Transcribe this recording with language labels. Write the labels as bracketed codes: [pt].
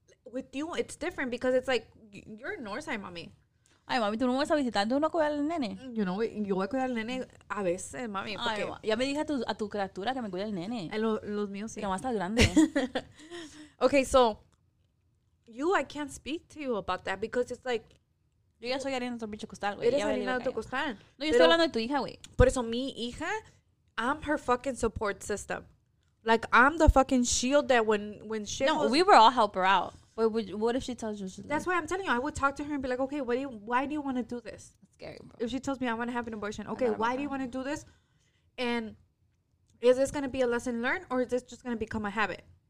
[en] With you, it's different because it's like, you're a Northside mommy. [es] Ay, mami, tú no vas a visitar, tú no cuidas al nene. [en] You know, [es] yo voy a cuidar al nene a veces, mami. Ay, ya me dije a tu criatura que me cuide el nene. Los míos, sí. Que va a estar grande. [en] Okay, so, you, I can't speak to you about that because it's like... [es] Yo ya soy harina de otro bicho costal, güey. Eres harina de otro costal. No, yo estoy hablando de tu hija, güey. Por eso, mi hija, [en] I'm her fucking support system. Like, I'm the fucking shield that when shit No, we were all help her out. But what if she tells you? That's like, why I'm telling you. I would talk to her and be like, okay, why do you want to do this? That's scary, bro. If she tells me I want to have an abortion, okay, why do you want to do this? And is this going to be a lesson learned or is this just going to become a habit?